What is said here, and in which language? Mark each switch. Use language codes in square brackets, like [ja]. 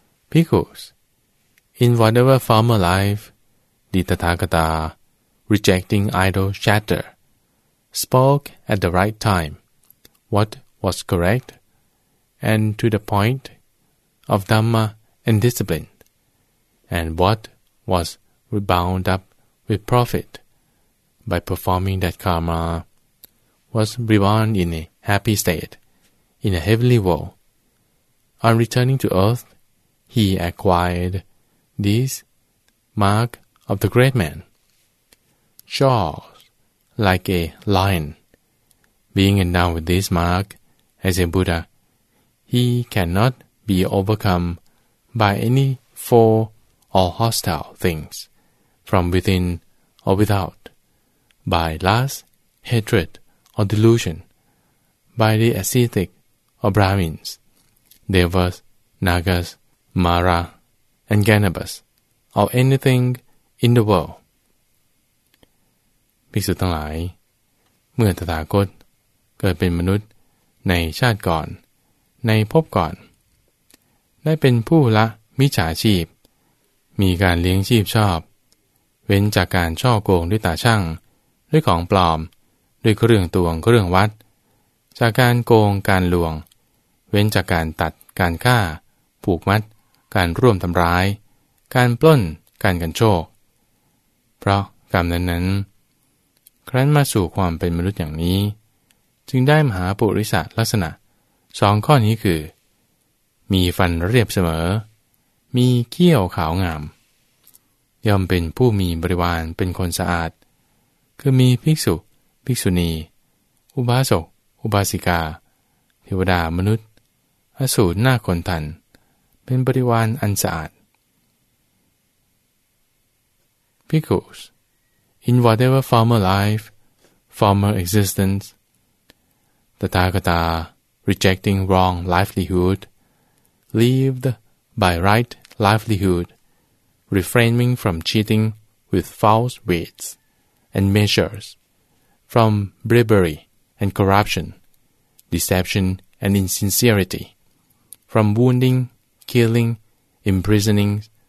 [en] Bhikkhus In whatever former life the Tathagata rejecting idol chatter spoke at the right time what was correct and to the point of Dhamma and disciplineAnd what was bound up with profit by performing that karma was reborn in a happy state, in a heavenly world. On returning to earth, he acquired this mark of the great man. Jaws, like a lion, being endowed with this mark as a Buddha, he cannot be overcome by any foe or hostile things, from within or without, by lust, hatred, or delusion, by the ascetic or Brahmins, Devas, Nagas, Mara, and Ganabas, or anything in the world. [th] ภิกษุทั้งหลายเมื่อตถาคตเกิดเป็นมนุษย์ในชาติก่อนในภพก่อนได้เป็นผู้ละมิจฉาชีพมีการเลี้ยงชีพชอบเว้นจากการช่อโกงด้วยตาช่างด้วยของปลอมด้วยเครื่องตวงเครื่องวัดจากการโกงการลวงเว้นจากการตัดการฆ่าผูกมัดการร่วมทำร้ายการปล้นการกันโชคเพราะกรรมนั้น ครั้นมาสู่ความเป็นมนุษย์อย่างนี้จึงได้มหาปุริสลักษณะสองข้อนี้คือมีฟันเรียบเสมอมีเขี้ยวขาวงามย่อมเป็นผู้มีบริวารเป็นคนสะอาดคือมีภิกษุภิกษุณีอุบาสกอุบาสิกาเทวดามนุษย์อสูรนาคคนทันเป็นบริวารอันสะอาดPickles. [en] In whatever former life, former existence, Tathagata, rejecting wrong livelihood, lived by right livelihood, refraining from cheating with false weights and measures, from bribery and corruption, deception and insincerity, from wounding, killing, imprisoning,